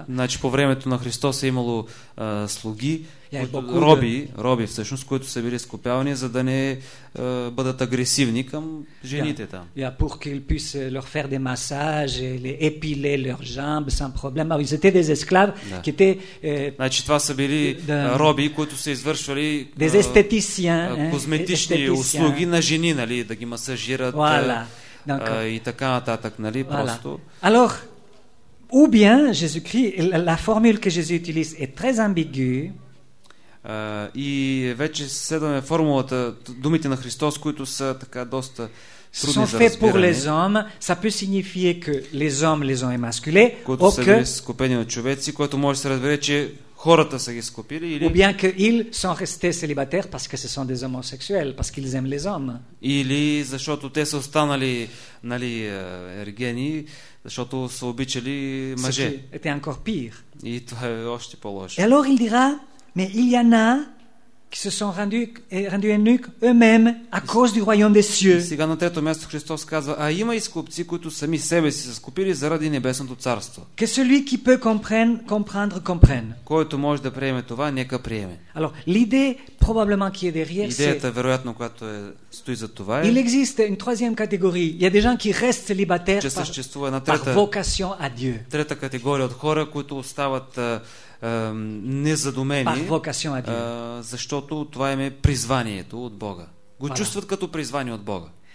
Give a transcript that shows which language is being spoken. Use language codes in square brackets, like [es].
[bg] Значи по времето на Христос е имало слуги, роби, роби всъщност, които са били скупявани, за да не бъдат агресивни към жените там. [fr] Я pour qu'ils puissent leur faire des massages et les épiler leurs jambes sans problème. Alors, ils étaient des esclaves qui étaient [bg] Значи това са били роби, които са извършвали [fr] des esthéticiens, [bg] козметични услуги на жени, нали, да ги масажират и така нататък, нали, просто. [fr] Alors ou bien Jésus-Christ, la formule que Jésus utilise est très ambiguë. [bg] И вече следваме формулата, думите на Христос, които са така доста трудни за разбиране. [fr] Pour les hommes, ça peut signifier que les hommes les ont émasculés, [bg] които са били скупени от човеци, което може да се разбере, че хората са ги скупили, или [fr] ou bien qu'ils sont restés célibataires parce que ce sont des homosexuels, parce qu'ils aiment les hommes. [bg] Или защото те са останали, нали, ергени, защото са обичали мъже. [fr] Était encore pire. [bg] И това е още по-лошо. [fr] Et alors il dira, mais il y en a qui se sont rendus eunuques eux-mêmes à cause du royaume des cieux. [bg] Сега на трето място Христос казва, а има изкупци, които сами себе си са скупили заради небесното царство. [fr] Que celui qui peut comprendre comprenne. [bg] Който може да приеме това, нека приеме. [fr] Alors l'idée probablement qui est derrière c'est [bg] идеята вероятно, която е стои за това е. [fr] Il existe une troisième catégorie. Il y a des gens qui restent célibataires par vocation à Dieu. [bg] Трета категория от хора, които остават незадумени, защото това им е призванието от Бога. Го чувстват като призвание от Бога.